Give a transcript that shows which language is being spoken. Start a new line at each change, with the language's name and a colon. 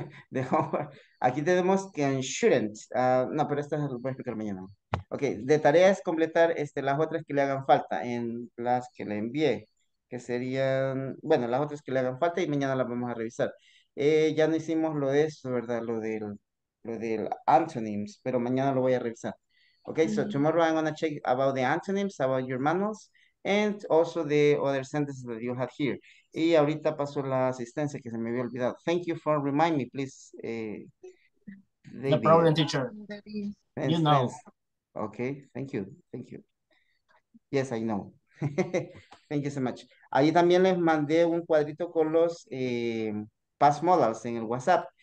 English: The homework.
Spanish: Aquí tenemos que shouldn't. No, pero esta lo voy a explicar mañana. Ok, de tarea es completar las otras que le hagan falta en las que le envié. Que serían, bueno, las otras que le hagan falta y mañana las vamos a revisar. Ya no hicimos lo de eso, ¿verdad? Lo del antonyms, pero mañana lo voy a revisar.
English: Okay, mm-hmm. So tomorrow I'm going to check about the antonyms, about your manuals, and also the other sentences that you had here.
Spanish: Y ahorita paso la asistencia que se me había olvidado.
English: Thank you for reminding me, please. No problem, teacher. You know. Okay, thank you. Yes, I know. Thank you so much.
Spanish: Allí también les mandé un cuadrito con los past models en el WhatsApp.